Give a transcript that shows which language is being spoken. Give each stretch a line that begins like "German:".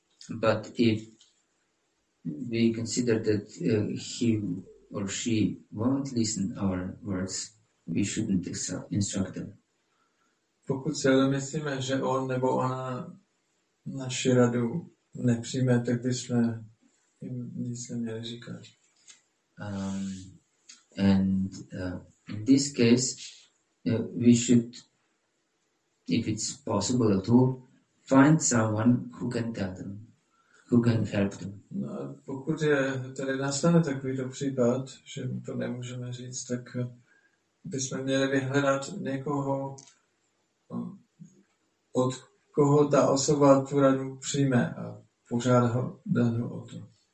English: But if we consider that he or she won't listen our words, we shouldn't instruct them.
Czech: Pokud se myslíme, že on nebo ona naši radu nepřijme, tak bychom jim nic neměli říkat.
English: In this case, we should, if it's possible at all, find someone who can tell them, who can help them.
Czech: No, pokud je tady nastane takovýto případ, že to nemůžeme říct, tak bychom měli vyhledat někoho, od koho ta osoba tu radu přijme a požádat ho o to.